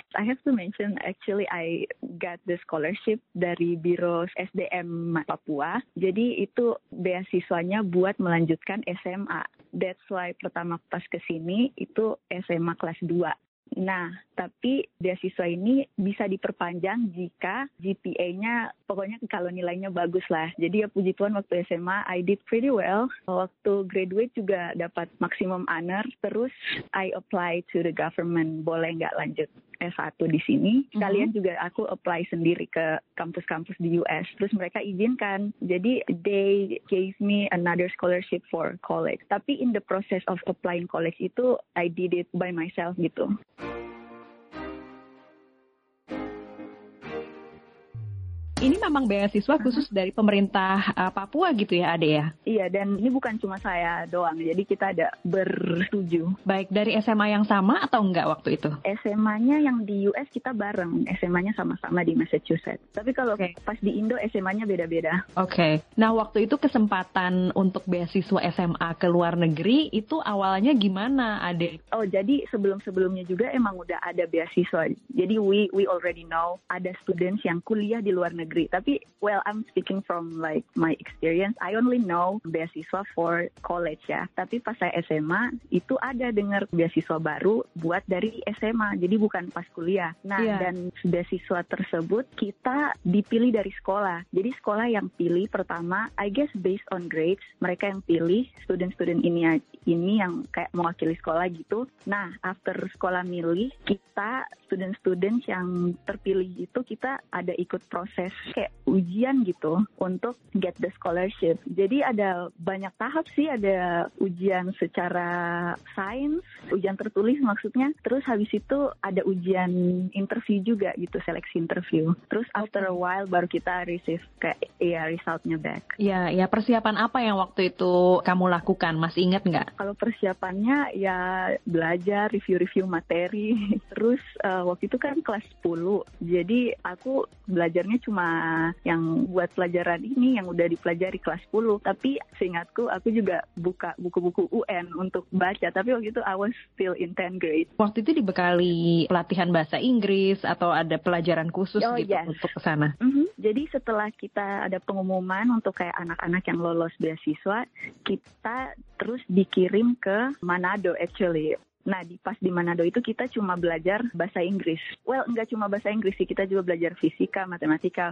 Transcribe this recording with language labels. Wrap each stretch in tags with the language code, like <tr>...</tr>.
<en>I have to mention, actually I got the scholarship</en> <id>dari</id> <en>Biro SDM Papua.</en> <id>Jadi itu beasiswanya buat melanjutkan SMA.</id> <en>That's why</en> <id>pertama pas kesini itu SMA kelas 2. Nah, tapi beasiswa ini bisa diperpanjang jika GPA-nya, pokoknya kalau nilainya bagus lah. Jadi ya puji Tuhan waktu SMA,</id> <en>I did pretty well.</en> <id>Waktu graduate juga dapat</id> <en>maximum honor.</en> <id>Terus,</id> <en>I apply to the government.</en> <id>Boleh nggak lanjut S1 di sini? Kalian juga aku apply sendiri ke kampus-kampus di US. Terus mereka izinkan. Jadi,</id> <en>they gave me another scholarship for college.</en> <id>Tapi</id> <en>in the process of applying college itu, I did it by myself gitu.</en> <id>Ini memang beasiswa khusus dari pemerintah Papua gitu ya, Ade ya? Iya, dan ini bukan cuma saya doang, jadi kita ada bertujuh. Baik, dari SMA yang sama atau enggak waktu itu? SMA-nya yang di US kita bareng, SMA-nya sama-sama di Massachusetts. Tapi kalau pas di Indo, SMA-nya beda-beda. Nah waktu itu kesempatan untuk beasiswa SMA ke luar negeri, itu awalnya gimana, Ade? Oh, jadi sebelum-sebelumnya juga emang udah ada beasiswa. Jadi</id> <en>we already know</en> <id>ada students yang kuliah di luar negeri. Tapi,</id> <en>well, I'm speaking from like my experience. I only know beasiswa for college ya.</en> <id>Tapi pas saya SMA, itu ada dengar beasiswa baru buat dari SMA. Jadi bukan pas kuliah. Nah, dan beasiswa tersebut kita dipilih dari sekolah. Jadi sekolah yang pilih pertama,</id> <en>I guess based on grades,</en> <id>mereka yang pilih student-student ini yang kayak mewakili sekolah gitu. Nah, after sekolah milih, kita student-student yang terpilih itu, kita ada ikut proses kayak ujian gitu untuk</id> <en>get the scholarship.</en> <id>Jadi ada banyak tahap sih, ada ujian secara sains, ujian tertulis maksudnya. Terus habis itu ada ujian interview juga gitu, seleksi interview. Terus</id> <en>after a while</en> <id>baru kita receive kayak result-nya back. Ya, persiapan apa yang waktu itu kamu lakukan? Masih ingat nggak? Kalau persiapannya ya belajar, review-review materi. Terus waktu itu kan kelas 10, jadi aku belajarnya cuma yang buat pelajaran ini, yang udah dipelajari kelas 10. Tapi seingatku, aku juga buka buku-buku UN untuk baca. Tapi waktu itu,</id> <en>I was still in 10th grade.</en> <id>Waktu itu dibekali pelatihan bahasa Inggris atau ada pelajaran khusus untuk kesana? Jadi setelah kita ada pengumuman untuk kayak anak-anak yang lolos beasiswa, kita terus dikirim ke Manado</id> <en>actually.</en> <id>Nah, pas di Manado itu kita cuma belajar bahasa Inggris. Well, nggak cuma bahasa Inggris sih, kita juga belajar fisika, matematika.</id>